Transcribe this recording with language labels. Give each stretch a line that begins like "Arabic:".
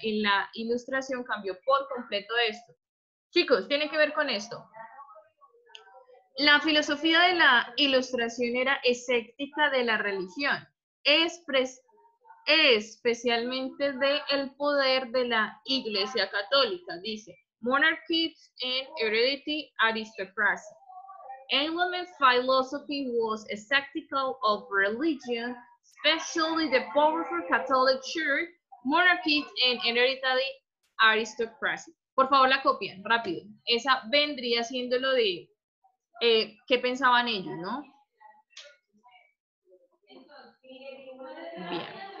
Spanish: En la Ilustración cambió por completo esto. Chicos, tiene que ver con esto. La filosofía de la Ilustración era escéptica de la religión, especialmente del poder de la Iglesia Católica. Dice,
English: monarchies and hereditary aristocracy. Enlightenment philosophy was skeptical of religion, especially the powerful Catholic Church, monarchies and hereditary aristocracy.
Spanish: Por favor, la copian, rápido. Esa vendría siendo lo de qué pensaban ellos, ¿no? Bien.